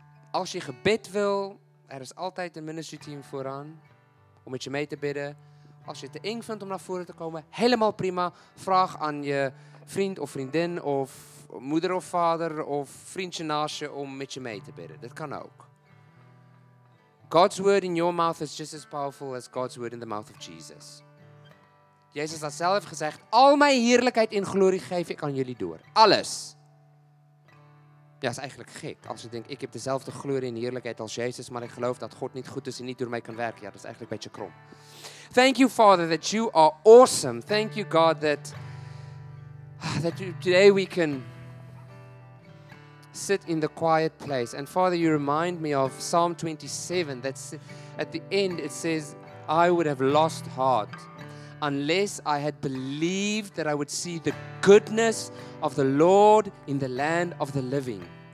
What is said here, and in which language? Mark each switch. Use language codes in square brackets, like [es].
[nl] Als je gebed wil, er is altijd een ministerteam vooraan. Om met je mee te bidden. Als je het te eng vindt om naar voren te komen, helemaal prima. Vraag aan je vriend of vriendin of moeder of vader of vriendje naast je om met je mee te bidden. Dat kan ook. [en] God's word in your mouth is just as powerful as God's word in the mouth of Jesus. [nl] Jezus had zelf gezegd, al mijn heerlijkheid en glorie geef ik aan jullie door. Alles. Ja, is eigenlijk gek. Als je denkt, ik heb dezelfde glorie en heerlijkheid als Jezus, maar ik geloof dat God niet goed is en niet door mij kan werken. Ja, dat is eigenlijk een beetje krom. [en] Thank you, Father, that you are awesome. Thank you, God, that you, today we can sit in the quiet place. And Father, you remind me of Psalm 27. That's at the end, it says, I would have lost heart unless I had believed that I would see the goodness of the Lord in the land of the living.